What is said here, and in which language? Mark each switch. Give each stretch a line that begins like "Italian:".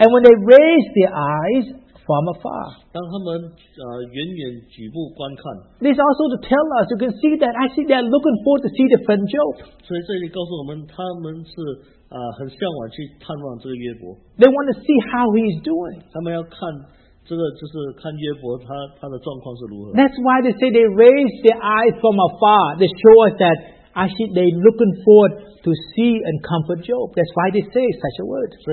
English: and when they raised their eyes from afar.
Chinese: 当他们, 远远举目观看,
English: this also to tell us, you can see that actually they are looking forward to see the friend Job.
Chinese: 所以这里告诉我们他们是 很向往去探望这个约伯。
English: They want to see how he is doing.
Chinese: 他们要看 这个就是看约伯他的状况是如何。
English: That's why they say they raise their eyes from afar. They show us that actually they looking forward to see and comfort Job. That's why they say such a word.